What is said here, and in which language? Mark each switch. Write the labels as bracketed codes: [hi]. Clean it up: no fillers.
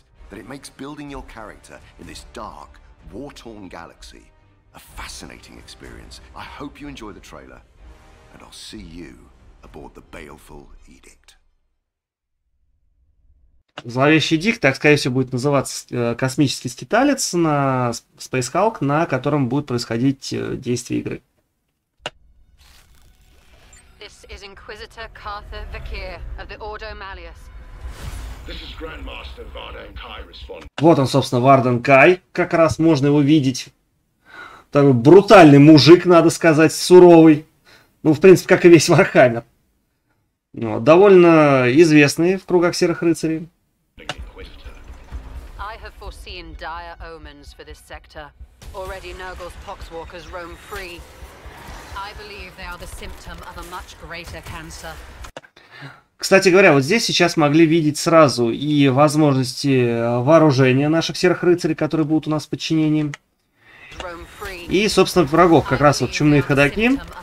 [en] That it makes building your character in this dark, war-torn galaxy a fascinating experience. I hope you enjoy the trailer, and I'll see you aboard the Baleful Edict. [ru] Зловещий Дик, так скорее всего, будет называться космический скиталец на Space Hulk, на котором будет происходить действие игры. [en] This is Inquisitor Cartha Vakir of the Ordo Malleus. [ru] Вот он, собственно, Варден Кай, как раз можно его видеть. Такой брутальный мужик, надо сказать, суровый. Ну, в принципе, как и весь Вархаммер. Вот, довольно известный в кругах Серых Рыцарей. [en] I have foreseen dire omens for this sector. Already Nurgle's poxwalkers roam free. I believe they are the symptom of a much greater cancer. [ru] Кстати говоря, вот здесь сейчас могли видеть сразу и возможности вооружения наших серых рыцарей, которые будут у нас в подчинении. И, собственно, врагов, как раз вот чумные ходоки.